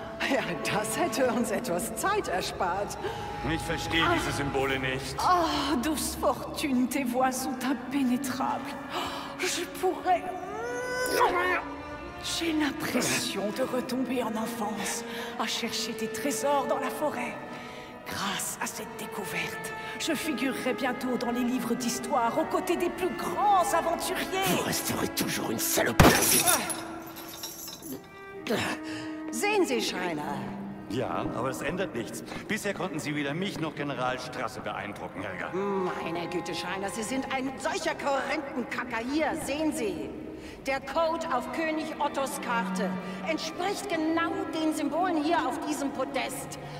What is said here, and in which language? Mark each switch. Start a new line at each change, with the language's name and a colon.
German: Ja, das hätte uns etwas Zeit erspart. Ich verstehe diese Symbole nicht.
French: Oh, douce fortune, tes voix sont impénétrables. Je pourrais... J'ai l'impression de retomber en enfance, à chercher des trésors dans la forêt. Grâce à cette découverte, je figurerai bientôt dans les livres d'histoire, aux côtés des plus grands aventuriers. Vous resterez toujours une salope.
German: Sehen Sie, Schreiner. Ja, aber es ändert nichts. Bisher konnten Sie weder mich noch General Strasse beeindrucken, Helga. Meine Güte, Schreiner, Sie sind ein solcher Korrentenkacker. Hier, sehen Sie. Der Code auf König Ottos Karte entspricht genau den Symbolen hier auf diesem Podest.